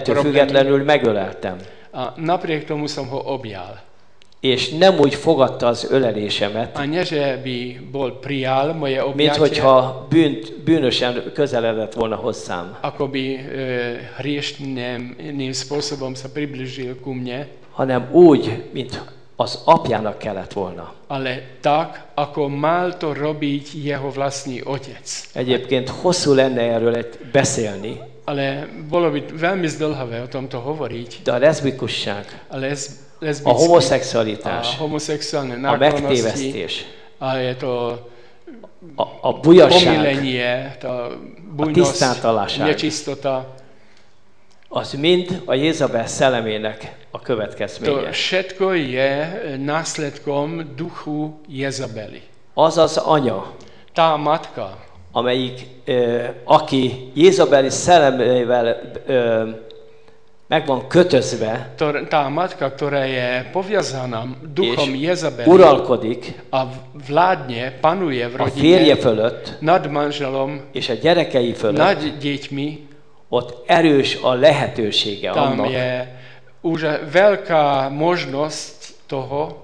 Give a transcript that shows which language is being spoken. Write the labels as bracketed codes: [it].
[hu] Ettől függetlenül megöleltem. [sk] A napriek tomu som ho objal. [hu] És nem úgy fogadta az ölelésemet, [sk] a nyeže by bol prijal moje objatie, [hu] mint hogyha bűnösen közeledett volna hozzám. [sk] Ako by hriešným spôsobom sa približil ku mne. [hu] Hanem úgy, mint az apjának kellett volna. [sk] Ale tak, ako mal to robiť jeho vlastný otec. [hu] Egyébként hosszú lenne erről beszélni. [sk] Ale bolo by veľmi zdlhavé o tomto hovoriť. [hu] De a lesbikusság. A a homoszexualitás. [sk] A homoszexuálne náklonosti. [hu] A megtévesztés. [sk] A je to [hu] a bujaság. [sk] Omilenie, to bujnosť. [hu] A tisztátalanság. [sk] Nečistota. [hu] Az mind a Jézabel szellemének a következménye. [sk] To všetko je následkom duchu Jezabeli. [hu] Az az anya. [sk] Tá matka. [hu] Amelyik, aki Jézabeli szellemével meg van kötözve. [sk] Tá matka, ktorá je poviazaná duchom Jezabeli. [hu] Uralkodik. [sk] A vládne, panuje v rodine. [hu] A férje fölött. [sk] Nad manželom. [hu] És a gyerekei fölött. [sk] Nad deťmi. [hu] Ott erős a lehetősége [sk] tam [hu] annak. [sk] Tam je už veľká možnosť toho.